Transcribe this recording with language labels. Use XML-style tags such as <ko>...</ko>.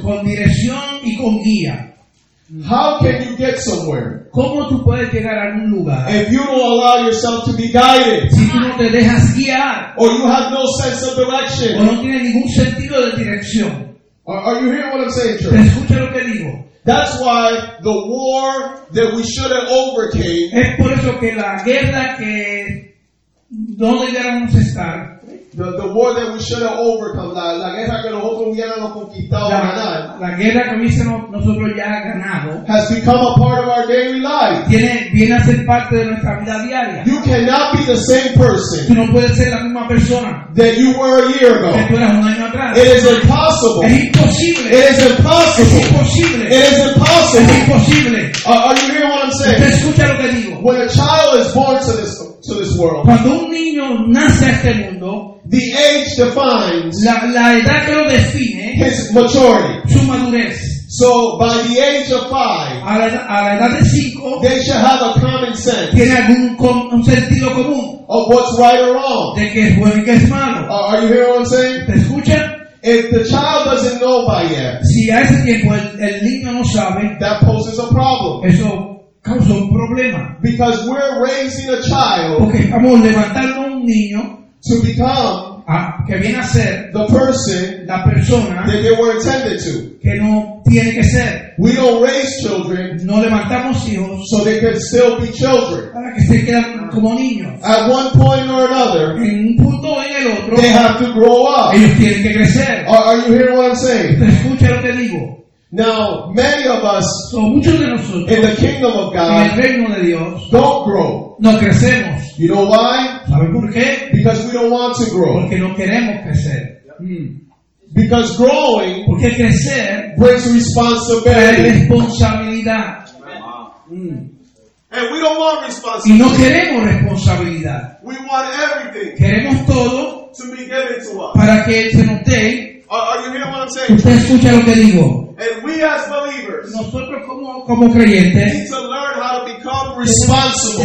<es>Con dirección y con guía.</es> <en>How can you get somewhere?</en> <es>¿Cómo tú puedes llegar a algún lugar?</es> <en>If you don't allow yourself to be guided,</en> <es>si tú no te dejas guiar,</es> <en>or you have no sense of direction,</en> <es>o no tienes ningún sentido de dirección.</es> <en>Are you hearing what I'm saying, church?</en> <es>¿Te escucha lo que digo?</es> <en>That's why the war that we should have overcame.</en> <es>Es por eso que la guerra que no debiéramos estar.</es> <en>The war that we should have overcome.</en> <es>La guerra que nosotros hubiéramos conquistado la, ganar. La guerra que hubiésemos nosotros ya ganado.</es> <en>Has become a part of our daily life.</en> <es>Viene a ser parte de nuestra vida diaria.</es> <en>You cannot be the same person.</en> <es>Tú no puedes ser la misma persona.</es> <en>That you were a year ago.</en> <es>Que tú eras un año atrás.</es> <en>It is impossible.</en> <es>Es imposible.</es> <en>It is impossible.</en> <es>Es imposible.</es> <en>It is impossible.</en> <es>Es imposible.</es> <en>Are you hearing what I'm saying?</en> <es>¿Te escucha lo que digo?</es> <en>When a child is born to this world.</en> <es>Cuando un niño nace a este mundo.</es> <en>The age defines</en> <es>la edad que lo define,</es> <en>his maturity.</en> <es>Su madurez.</es> <en>So by the age of 5,</en> <es>a la edad de cinco,</es> <en>they should have a common sense.</en> <es>Tiene algún un sentido común</es> <en>of what's right or wrong.</en> <es>De que es bueno y que es malo.</es> <en>Are you hearing what I'm saying?</en> <es>¿Te escucha?</es> <en>If the child doesn't know by yet,</en> <es>si a ese tiempo el niño no sabe,</es> <en>that poses a problem.</en> <es>Eso causa un problema.</es> <en>Because we're raising a child.</en> <es>Porque estamos levantando un niño.</es> <en>To become</en> <es>que viene a ser</es> <en>the person,</en> <es>la persona</es> <en>that they were intended to.</en> <es>Que no tiene que ser.</es> <en>We don't raise children,</en> <es>no levantamos hijos,</es> <en>so they can still be children.</en> <es>Para que se queden como niños.</es> <en>At one point or another,</en> <es>en un punto en el otro,</es> <en>they have to grow up.</en> <es>Ellos tienen que crecer.</es> <en>Are you hearing what I'm saying?</en> <es>¿Te escucha lo que digo?</es> <en>Now, many of us,</en> <es>so muchos de nosotros,</es> <en>in the kingdom of God,</en> <es>en el reino de Dios,</es> <en>don't grow.</en> <es>No crecemos.</es> <en>You know why?</en> <es>¿Sabe por qué?</es> <en>Because we don't want to grow.</en> <es>Porque no queremos crecer.</es> <en>Because growing,</en> <es>porque crecer,</es> <en>brings responsibility.</en> <es>Trae responsabilidad.</es> <en>And we don't want responsibility.</en> <es>Y no queremos responsabilidad.</es> <en>We want everything.</en> <es>Queremos todo</es> <en>to be given to us.</en> <es>Para que él se nos dé.</es> <en>Are you hearing what I'm saying?</en> <es>¿Usted escucha lo que digo?</es> <en>And we as believers,</en> <es>nosotros como creyentes,</es> <en>need to learn how to become responsible.</en>